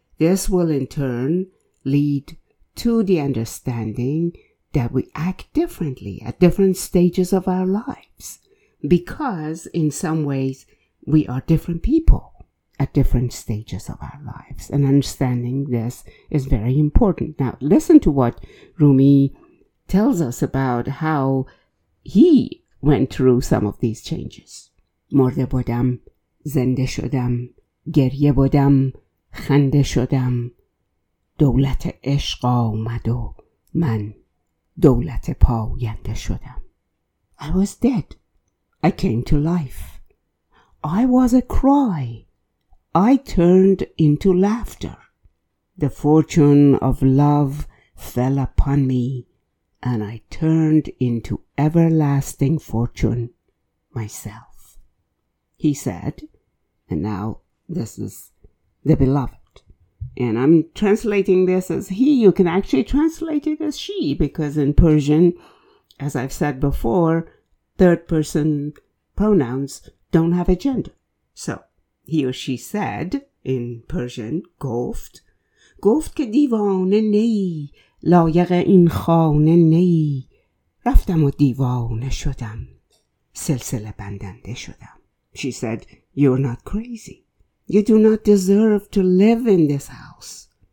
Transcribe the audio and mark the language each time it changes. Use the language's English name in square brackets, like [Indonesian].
[English] This will in turn lead to the understanding that we act differently at different stages of our lives because in some ways we are different people at different stages of our lives. And understanding this is very important. Now, listen to what Rumi tells us about how he went through some of these changes. [Persian] مرده بودم، زنده شدم، گریه بودم، خنده شدم، دولت عشق آمد و من دولت پاینده شدم. [English] I was dead. I came to life. I was a cry. I turned into laughter. The fortune of love fell upon me, and I turned into everlasting fortune myself. He said, and now this is the beloved. And I'm translating this as he. You can actually translate it as she, because in Persian, as I've said before, third person pronouns don't have a gender. So he or she said in Persian, [Persian] گفت, گفت که دیوانه نی لایق این خانه نی رفتم و دیوانه شدم سلسله بندنده شدم. [English] She said, you're not crazy. You do not deserve to live in this house.